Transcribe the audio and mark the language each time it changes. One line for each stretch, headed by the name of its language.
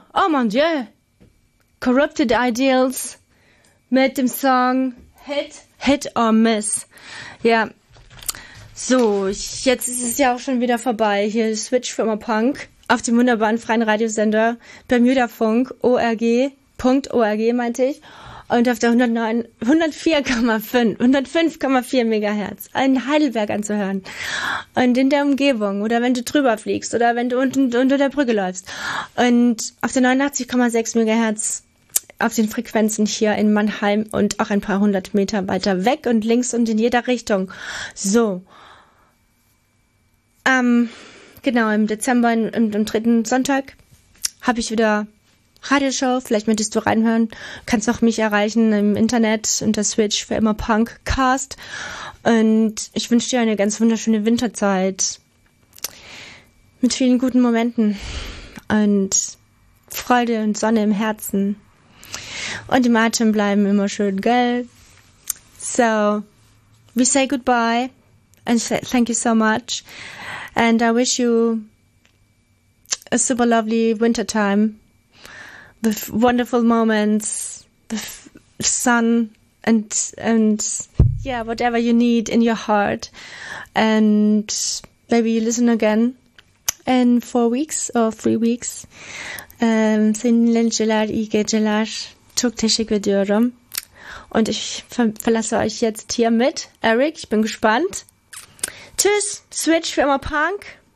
French: Mon Dieu,
English: Corrupted Ideals made them song Hit or Miss.
German: Ja, so, jetzt ist es ja auch schon wieder vorbei. Hier ist Switch für immer Punk auf dem wunderbaren freien Radiosender Bermudafunk, .org meinte ich. Und auf der 105,4 Megahertz in Heidelberg anzuhören. Und in der Umgebung, oder wenn du drüber fliegst, oder wenn du unten unter der Brücke läufst. Und auf der 89,6 Megahertz auf den Frequenzen hier in Mannheim und auch ein paar hundert Meter weiter weg und links und in jeder Richtung. So. Genau, im Dezember, im dritten Sonntag, habe ich wieder Radioshow, vielleicht möchtest du reinhören, kannst auch mich erreichen im Internet unter Switch für immer Punkcast. Und ich wünsche dir eine ganz wunderschöne Winterzeit mit vielen guten Momenten und Freude und Sonne im Herzen und im Atem bleiben immer schön, gell?
English: So, we say goodbye and thank you so much and I wish you a super lovely winter time. The wonderful moments, the sun, and yeah, whatever you need in your heart. And maybe you listen again in 4 weeks or 3 weeks. Sind Lenjelar Ige Jelash, Tuktechik Vedurum.
German: Und ich verlasse euch jetzt hier mit Eric. Ich bin gespannt. Tschüss, Switch für immer Punk.